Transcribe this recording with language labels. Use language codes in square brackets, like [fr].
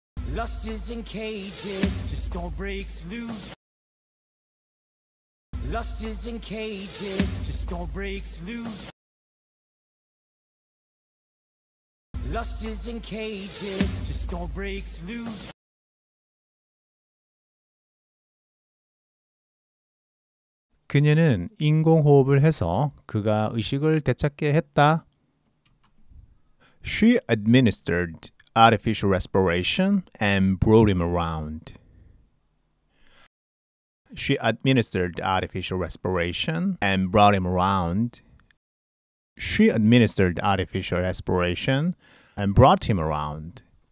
[en] Lust is in cages, just don't break loose. Lust is in cages, just don't break loose. Lust is in cages, just don't break loose. loose. [ko] 그녀는 인공호흡을 해서 그가 의식을 되찾게 했다. [en] She administered artificial respiration and brought him around. She administered artificial respiration and brought him around. She administered artificial respiration and brought him around.